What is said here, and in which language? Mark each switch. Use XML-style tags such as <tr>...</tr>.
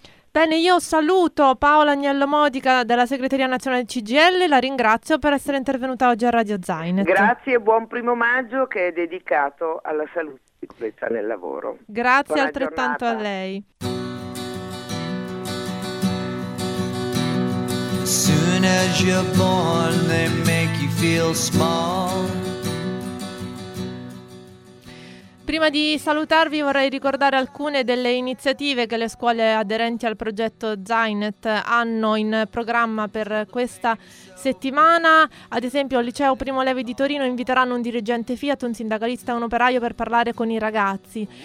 <it>Bene, io saluto Paola Agnello Modica della Segreteria Nazionale CGIL, la ringrazio per essere intervenuta oggi a Radio Zainet. Grazie e buon primo maggio che è dedicato alla salute e sicurezza nel lavoro. Grazie altrettanto a lei.</it> <en>Soon as you're born, they make you feel small.</en> <it>Prima di salutarvi vorrei ricordare alcune delle iniziative che le scuole aderenti al progetto Zainet hanno in programma per questa settimana. Ad esempio il liceo Primo Levi di Torino inviteranno un dirigente Fiat, un sindacalista e un operaio per parlare con i ragazzi.</it>